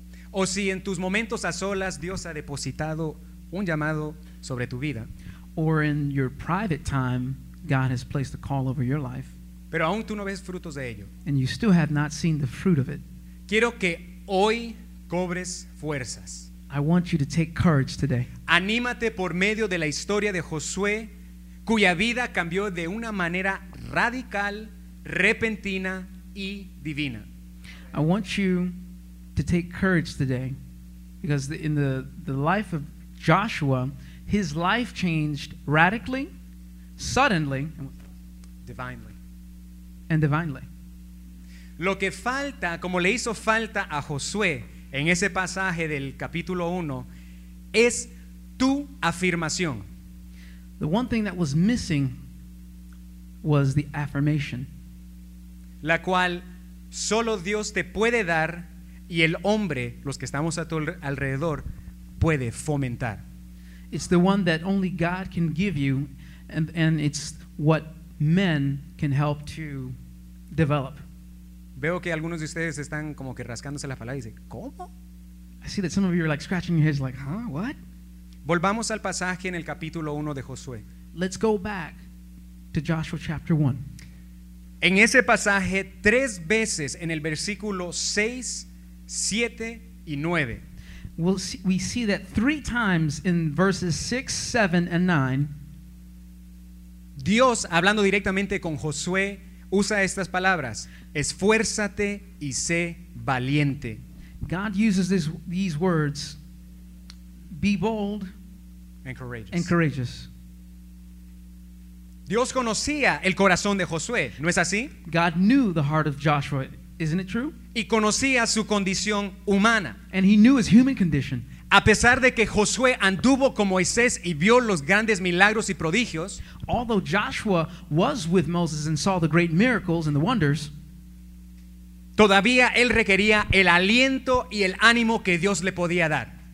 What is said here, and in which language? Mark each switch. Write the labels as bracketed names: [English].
[Spanish] O si en tus momentos a solas Dios ha depositado un llamado sobre tu vida. [English] Or in your private time God has placed a call over your life. [Spanish] Pero aún tú no ves frutos de ello. [English] And you still have not seen the fruit of it. [Spanish] Quiero que hoy cobres fuerzas. [English] I want you to take courage today. [Spanish] Anímate por medio de la historia de Josué, cuya vida cambió de una manera radical, repentina y divina. [English] I want you to take courage today because in the life of Joshua, his life changed radically, suddenly, divinely. [Spanish] Lo que falta, como le hizo falta a Josué en ese pasaje del capítulo 1, es tu afirmación. [English] The one thing that was missing was the affirmation. [Spanish] La cual solo Dios te puede dar y el hombre, los que estamos a tu alrededor, puede fomentar. [English] It's the one that only God can give you and it's what men can help to develop. [Spanish] Veo que algunos de ustedes están como que rascándose la falda y dicen, ¿cómo? [English] I see that some of you are like scratching your heads like, huh, what? [Spanish] Volvamos al pasaje en el capítulo 1 de Josué. [English] Let's go back to Joshua chapter 1. [Spanish] En ese pasaje, tres veces en el versículo 6, 7 y 9. [English] We see that three times in verses 6, 7 and 9. [Spanish] Dios, hablando directamente con Josué, usa estas palabras. Esfuérzate y sé valiente. [English] God uses these words. Be bold and courageous. And courageous. [Spanish] Dios conocía el corazón de Josué, ¿no es así? [English] God knew the heart of Joshua, isn't it true? [Spanish] Y conocía su condición humana. [English] And he knew his human condition. [Spanish] A pesar de que Josué anduvo con Moisés y vio los grandes milagros y prodigios, [English] although Joshua was with Moses and saw the great miracles and the wonders, [Spanish] todavía él requería el aliento y el ánimo que Dios le podía dar.